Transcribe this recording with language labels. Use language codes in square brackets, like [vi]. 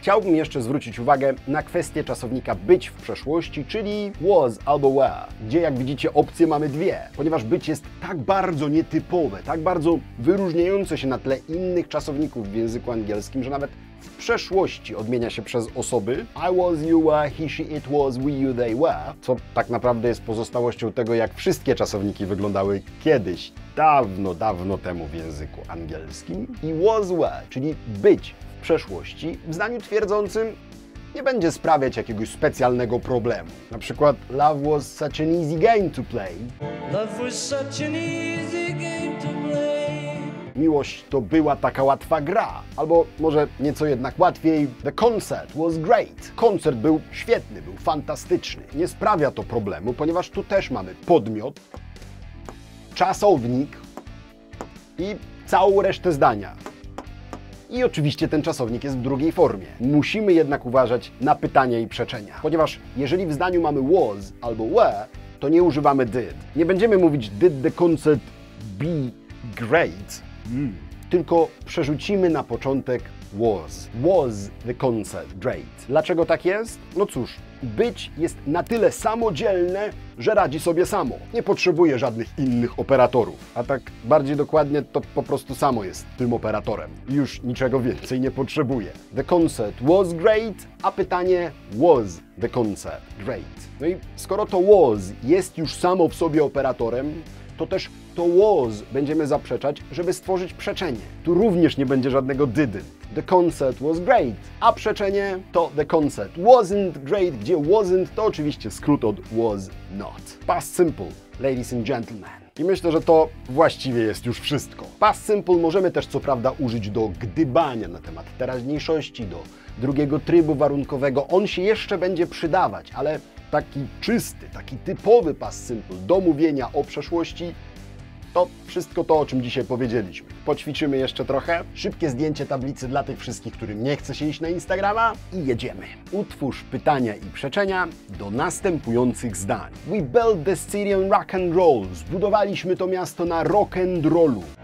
[pl] Chciałbym jeszcze zwrócić uwagę na kwestię czasownika być w przeszłości, czyli was albo were, gdzie jak widzicie opcje mamy dwie, ponieważ być jest tak bardzo nietypowe, tak bardzo wyróżniające się na tle innych czasowników w języku angielskim, że nawet w przeszłości odmienia się przez osoby [en] I was, you were, he, she, it was, we, you, they were, [pl] co tak naprawdę jest pozostałością tego, jak wszystkie czasowniki wyglądały kiedyś, dawno, dawno temu w języku angielskim. I was, were, czyli być w przeszłości, w zdaniu twierdzącym nie będzie sprawiać jakiegoś specjalnego problemu. Na przykład [en] love was such an easy game to play. Love was such an easy game to play. [pl] Miłość to była taka łatwa gra. Albo może nieco jednak łatwiej. [en] The concert was great. [pl] Koncert był świetny, był fantastyczny. Nie sprawia to problemu, ponieważ tu też mamy podmiot, czasownik i całą resztę zdania. I oczywiście ten czasownik jest w drugiej formie. Musimy jednak uważać na pytania i przeczenia. Ponieważ jeżeli w zdaniu mamy was albo were, to nie używamy did. Nie będziemy mówić [en] did the concert be great. [pl] Tylko przerzucimy na początek was. [en] Was the concert great. [pl] Dlaczego tak jest? No cóż, być jest na tyle samodzielne, że radzi sobie samo. Nie potrzebuje żadnych innych operatorów. A tak bardziej dokładnie, to po prostu samo jest tym operatorem. Już niczego więcej nie potrzebuje. [en] The concert was great, [pl] a pytanie [en] was the concert great. [pl] No i skoro to was jest już samo w sobie operatorem, to też to was będziemy zaprzeczać, żeby stworzyć przeczenie. Tu również nie będzie żadnego didn't. [en] The concert was great. [pl] A przeczenie to [en] the concert wasn't great, [pl] gdzie wasn't to oczywiście skrót od [en] was not. Past simple, ladies and gentlemen. [pl] I myślę, że to właściwie jest już wszystko. Past simple możemy też co prawda użyć do gdybania na temat teraźniejszości, do drugiego trybu warunkowego. On się jeszcze będzie przydawać, ale taki czysty, taki typowy past simple do mówienia o przeszłości to wszystko to, o czym dzisiaj powiedzieliśmy. Poćwiczymy jeszcze trochę. Szybkie zdjęcie tablicy dla tych wszystkich, którym nie chce się iść na Instagrama i jedziemy. Utwórz pytania i przeczenia do następujących zdań. [en] We built this city on rock and roll. [pl] Zbudowaliśmy to miasto na rock and rollu.